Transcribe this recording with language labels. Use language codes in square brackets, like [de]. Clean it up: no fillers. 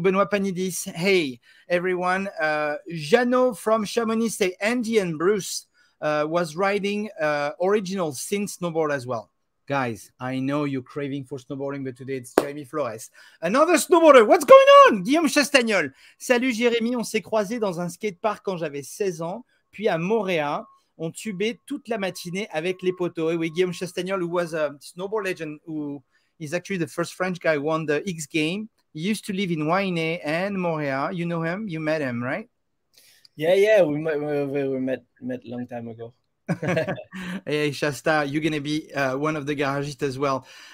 [en] Benoît Panidis, hey, everyone. Jeannot from Chamonix, say Andy and Bruce was riding original sin snowboard as well. Guys, I know you're craving for snowboarding, but today it's Jeremy Flores. Another snowboarder. What's going on? Guillaume Chastagnol. [fr] Salut, [en] Jeremy. [fr] On s'est croisé dans un skatepark quand j'avais 16 ans, puis à Moréa. On tubait toute la matinée avec les poteaux. Et oui, [en] Guillaume Chastagnol, who was a snowboard legend, who is actually the first French guy who won the X game. He used to live in Wainé and Moréa. You know him? You met him, right? Yeah. We met a long time ago. Hey Shasta, you're gonna be one of the garagistes as well.